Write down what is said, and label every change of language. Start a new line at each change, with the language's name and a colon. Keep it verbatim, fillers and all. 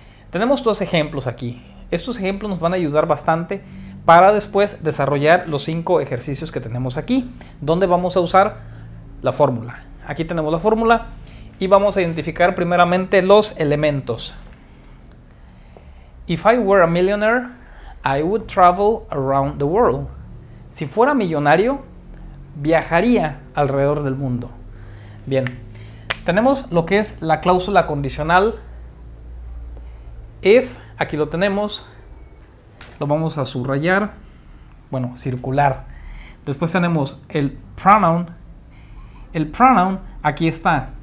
Spanish: Tenemos dos ejemplos aquí. Estos ejemplos nos van a ayudar bastante para después desarrollar los cinco ejercicios que tenemos aquí, donde vamos a usar la fórmula. Aquí tenemos la fórmula y vamos a identificar primeramente los elementos.
English: If I were a millionaire, I would travel around the world.
Spanish: Si fuera millonario, viajaría alrededor del mundo. Bien, tenemos lo que es la cláusula condicional. If, aquí lo tenemos, lo vamos a subrayar, bueno, circular. Después tenemos el pronoun. El pronoun, aquí está.